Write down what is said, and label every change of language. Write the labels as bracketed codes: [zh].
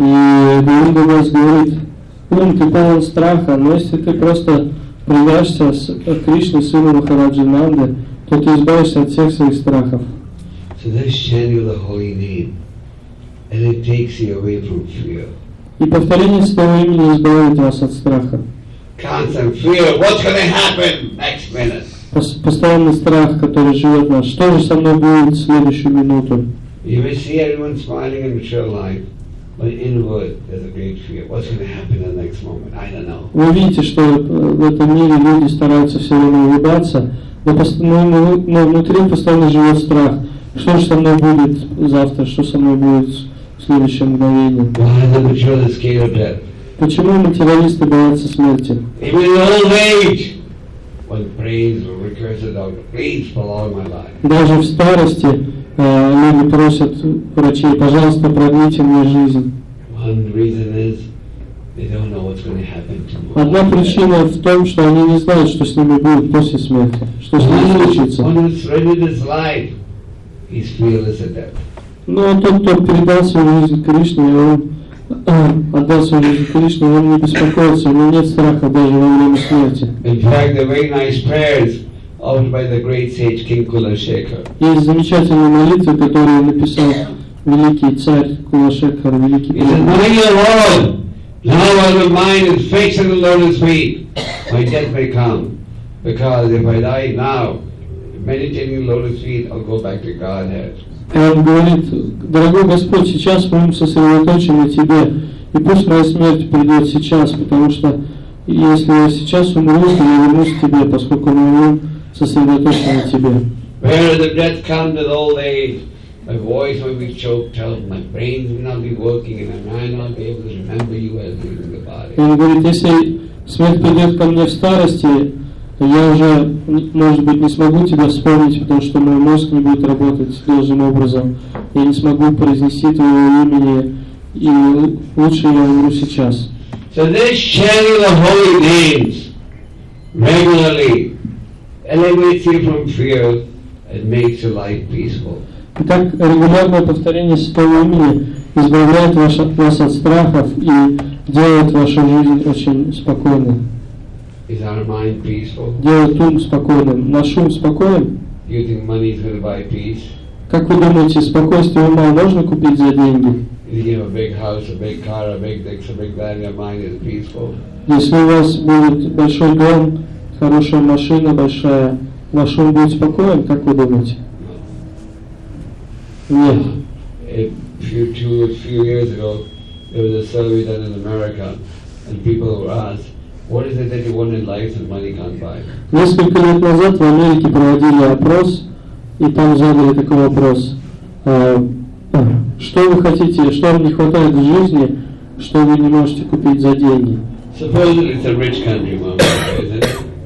[ru] И Govinda Das говорит, ум, ты полон страха, но если ты просто предашься Кришне, сыну Махараджи Нанды, то ты избавишься от всех своих страхов. [en] So this chanting of the holy name, and it takes you away from fear. [ru] И повторение святого имени избавит вас от страха. [en] Constant fear, what's going to happen next minute? [ru] Постоянный страх, который живет нас. Что же со мной будет в следующую минуту? [en] You may see everyone smiling in mature life. But inward, there's a great fear. What's going to happen in the next moment? I don't know. [ru] Вы видите, что в этом мире люди стараются все время улыбаться, но внутри постоянно живет страх. Что же со мной будет завтра, что со мной будет в следующем мгновении? [en] Why the materialists scared of death? [ru] Почему материалисты боятся смерти? [en] In the old age, when praise or recursive dog, please prolong my life. [ru] Даже в старости люди просят врачей, пожалуйста, продлите мне жизнь. [en] One reason is they don't know what's going to happen tomorrow. [ru] Одна причина в том, что они не знают, что с ними будет после смерти, что с ними случится. [en] One who surrendered his life, he's fearless of death. [ru] Но тот, кто предал свою жизнь Кришне, он отдал свою жизнь Кришне, он не беспокоится, у него нет страха даже во время смерти. [en] In fact, the very nice prayers offered by the great sage King Kulashekhar. [ru] Есть замечательные молитвы, которые написал великий царь Кулашекхар, великий. [en] He says, "My dear Lord, now while my mind is fixed on the Lord's feet, my death may come, because if I die now, meditating on the Lord's feet, I'll go back to Godhead." [ru] И он говорит, дорогой Господь, сейчас мы сосредоточены на Тебе, и пусть моя смерть придет сейчас, потому что если я сейчас умру, то я вернусь к Тебе, поскольку мы умрем сосредоточены на Тебе. [en] Where the death comes at old age, my voice will be choked out, my brain will not be working, and I might not be able to remember you as leaving the body. [ru] И он говорит, если смерть придет ко мне в старости, я уже, может быть, не смогу тебя вспомнить, потому что мой мозг не будет работать должным образом. Я не смогу произнести твоего имени, и лучше я умру сейчас. [en] So this chanting of holy names regularly elevates you from fear and makes your life peaceful. [ru] Итак, регулярное повторение святого имени избавляет вас от страхов и делает вашу жизнь очень спокойной. Is our mind peaceful? Делает ум спокойным. Наш ум спокоен? [en] Do you think money is going to buy peace? [ru] Как вы думаете, спокойствие ума можно купить за деньги? [en] If you have a big house, a big car, a big dick, a big bag, your mind is peaceful. [ru] Если у вас будет большой дом, хорошая машина, большая, ваш ум будет спокоен, как вы думаете? Нет. [en] A few years ago, there was a survey done in America, and people were asked, what is it that you want in life that money can't buy? [ru] Несколько лет назад в Америке проводили опрос, и там задали такой вопрос: что вы хотите, что вам не хватает в жизни, что вы не можете купить за деньги? [en] Suppose it's a rich country, isn't it?